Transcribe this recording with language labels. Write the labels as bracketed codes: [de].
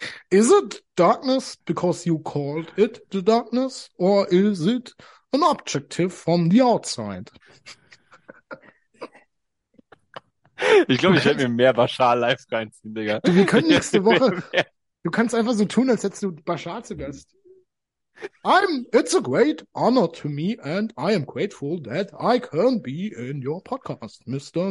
[en] Is it darkness because you called it the darkness? Or is it an objective from the outside? [de] Ich glaube, ich werde mir mehr Bashar live reinziehen, Du, wir können nächste Woche, Digga. Ich du kannst einfach so tun, als hättest du Bashar zu Gast. [en] It's a great honor to me and I am grateful that I can be in your podcast, Mr.